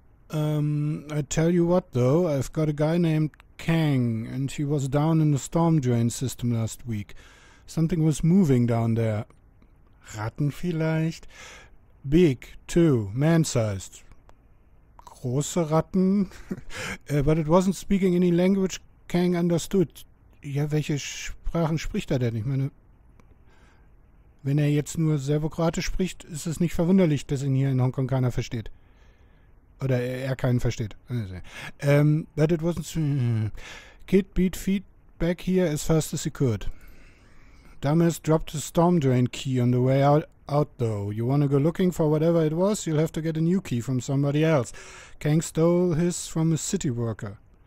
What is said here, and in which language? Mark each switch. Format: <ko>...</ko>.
<en>I tell you what, though. I've got a guy named Kang, and he was down in the storm drain system last week. Something was moving down there.</en> <de>Ratten vielleicht?</de> <en>Big, too. Man-sized.</en> <de>Große Ratten?</de> <en>But it wasn't speaking any language Kang understood.</en> <de>Ja, welche Sprachen spricht er denn? Ich meine, wenn er jetzt nur Serbokroatisch spricht, ist es nicht verwunderlich, dass ihn hier in Hongkong keiner versteht. Oder er keinen versteht.</de> <en>But it wasn't... Kid beat feedback here as fast as he could. Dumbass dropped a storm drain key on the way out though. You wanna go looking for whatever it was, you'll have to get a new key from somebody else. Kang stole his from a city worker.</en>